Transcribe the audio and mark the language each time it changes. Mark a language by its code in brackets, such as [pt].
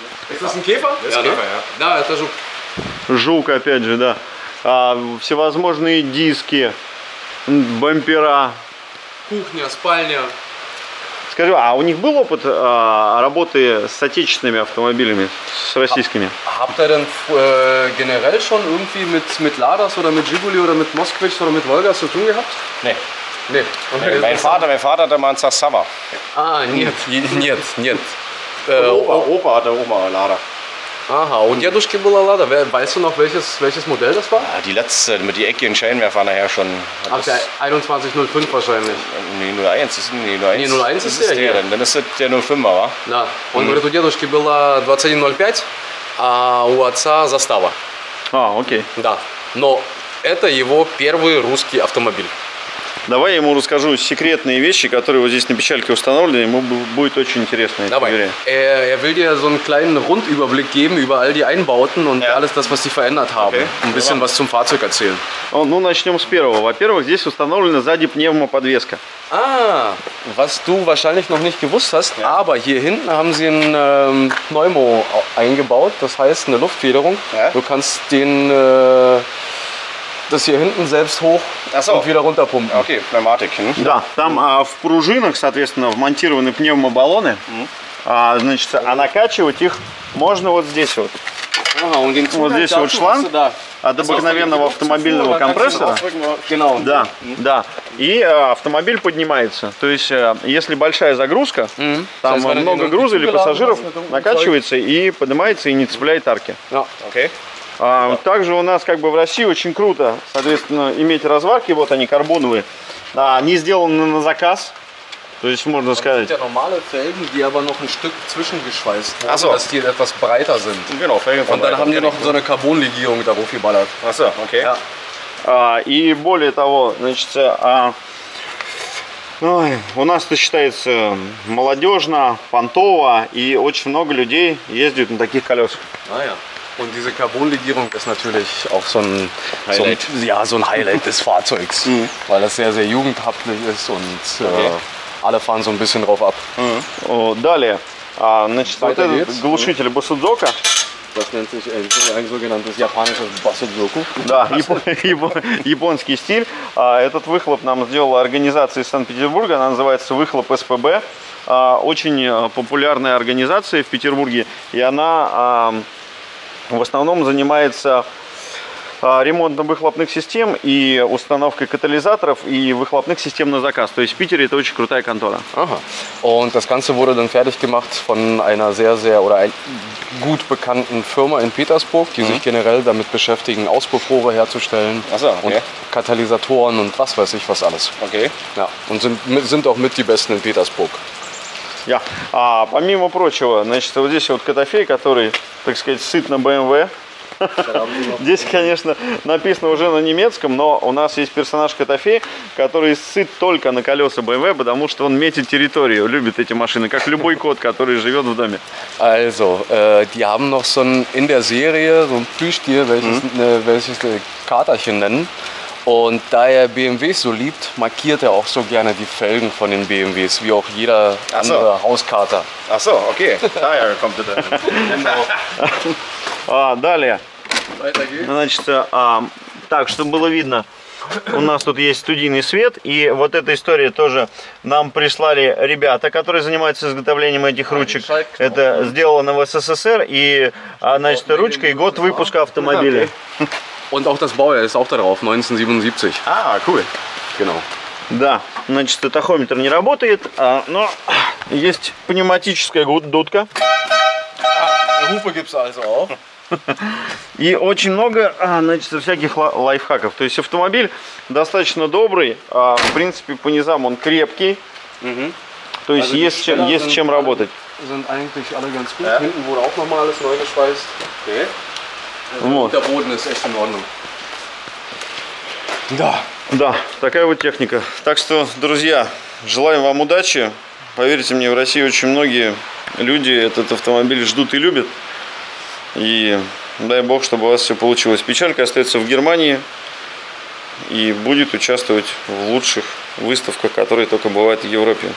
[ru] Это Кефа? Да, это жук. Жук, опять же, да. А, всевозможные диски, бампера. Кухня, спальня. Скажи, а у них был опыт работы с отечественными автомобилями, с российскими? [de] Habt ihr denn generell schon irgendwie mit Ladas oder mit Жигули oder mit Москвич oder mit Волга zu tun gehabt? Nee. Okay. Mein Vater hatte mal einen Sasawa. Nein. Opa hatte auch mal Lada. Aha, und Jaduschke [ru] была [de] Lada. Weißt du noch, welches Modell das war? Die letzte, mit die eckigen Scheinwerfer nachher schon. Ab der 2105 wahrscheinlich. Nee, 01. Nee, 01 ist der hier. Dann ist das der 05er, wa? Ja, und [ru] говорит, у дедушки была 2105, а у отца застава. А, окей. Да, но это его первый русский автомобиль. Давай я ему расскажу секретные вещи, которые вот здесь на печальке установлены. Ему будет очень интересно. Давай. [de] Er will dir so einen kleinen Rundüberblick geben über all die Einbauten und alles das, was sie verändert haben. Okay. Ein bisschen was zum Fahrzeug erzählen. [ru] Ну, начнем с первого. Во-первых, здесь установлена сзади пневмоподвеска. [de] А, was du wahrscheinlich noch nicht gewusst hast, aber hier hinten haben sie ein Pneumo eingebaut, das heißt eine Luftfederung. Du kannst den... Das hier hinten selbst hoch und wieder runterpumpen. Okay, Pneumatik. Hm? [ru] Да, там в пружинах, соответственно, вмонтированы пневмобаллоны. Значит, а накачивать их можно вот здесь вот. Вот здесь вот шланг от обыкновенного автомобильного компрессора. Да, да. И автомобиль поднимается. То есть, если большая загрузка, там много груза или пассажиров, накачивается и поднимается, и не цепляет арки. Окей. Также у нас как бы в России очень круто, соответственно, иметь разварки, вот они карбоновые. Да, они сделаны на заказ. То есть можно сказать. Это нормальные фельги, [de] die aber noch ein Stück zwischengeschweißt wurden, dass die etwas breiter sind. Genau, Felgen. Und dann haben die noch so eine Carbonlegierung da drauf geballert. Ach so, okay. [ru] И более того, значит, у нас-то считается молодежно, понтово, и очень много людей ездят на таких колесах. [de] Und diese Carbon-Legierung ist natürlich auch so ein Highlight, so ein Highlight des Fahrzeugs, weil das sehr, sehr jugendhaftlich ist und alle fahren so ein bisschen drauf ab. [ru] Далее, значит, вот этот глушитель Басудзока. [de] Das nennt sich ein sogenanntes japanisches Basudzoku. [ru] Да, японский стиль. Этот выхлоп нам сделала организация из Санкт-Петербурга, она называется «Выхлоп СПБ». Очень популярная организация в Петербурге, и она... В основном занимается ремонтом выхлопных систем и установкой катализаторов и выхлопных систем на заказ. То есть в Питере это очень крутая контора. Ага. [de] Und das Ganze wurde dann fertig gemacht von einer sehr, sehr oder einer gut bekannten Firma in Petersburg, die sich generell damit beschäftigen, Auspuffrohre herzustellen. Achso, okay. Und Katalysatoren und was weiß ich was alles. Okay. Ja. Und sind auch mit die Besten in Petersburg. Я. [ru] А помимо прочего, значит, вот здесь вот Котофей, который, так сказать, сыт на BMW. Здесь, конечно, написано уже на немецком, но у нас есть персонаж Котофей, который сыт только на колеса BMW, потому что он метит территорию, любит эти машины, как любой кот, который живет в доме. [de] Also, die haben noch so in der Serie so ein Plüschtier, welches Katerchen nennen. Und da er BMW so liebt, markiert er auch so gerne die Felgen von den BMWs, wie auch jeder andere Hauskater. Ach so, okay. Daher kommt er dann. Genau. [ru] Далее. Значит, так, чтобы было видно, у нас тут есть студийный свет, и вот эта история тоже нам прислали ребята, которые занимаются изготовлением этих ручек. Это сделано в СССР, и, значит, ручка и год выпуска автомобиля. [de] Und auch das Baujahr ist auch darauf, 1977. Ah, cool. Genau. [ru] Да, значит, тахометр не работает, но есть пневматическая дудка. [de] Hupe gibt's also auch. [ru] И очень много, значит, всяких лайфхаков. То есть автомобиль достаточно добрый, в принципе, по низам он крепкий. То есть есть, есть чем работать. [de] Sind eigentlich alle ganz gut. Yeah. Hinten wurde auch nochmal alles neu geschweißt. Okay. [ru] Вот. [de] Der Boden ist echt in Ordnung. [ru] Да, да, такая вот техника. Так что, друзья, желаем вам удачи. Поверьте мне, в России очень многие люди этот автомобиль ждут и любят. И дай бог, чтобы у вас все получилось. Печалька остается в Германии и будет участвовать в лучших выставках, которые только бывают в Европе.